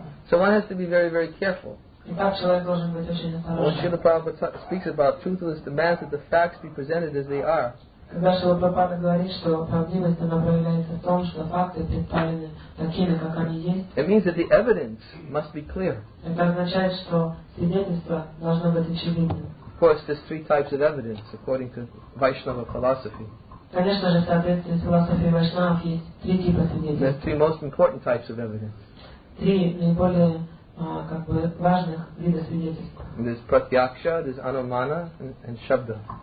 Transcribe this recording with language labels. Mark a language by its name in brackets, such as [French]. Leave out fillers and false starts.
[English] So one has to be very, very careful. When Srila Prabhupada speaks about truthless demands that the facts be presented as they are. [Russian] Когда Шрила Прабхупада говорит, что правдивость она проявляется в том, что факты представлены такими, как они есть. [English] It means that the evidence must be clear. [Russian] Это означает, что свидетельство должно быть очевидным. [English] Of course, there's three types of evidence according to Vaishnava philosophy. [Russian] Конечно же, в соответствии с философией Вайшнавов есть три типа свидетельств. [English] There's three most important types of evidence. [Russian] Три наиболее как бы важных вида свидетельств. [English] There's pratyaksha, there's anumana, and shabda.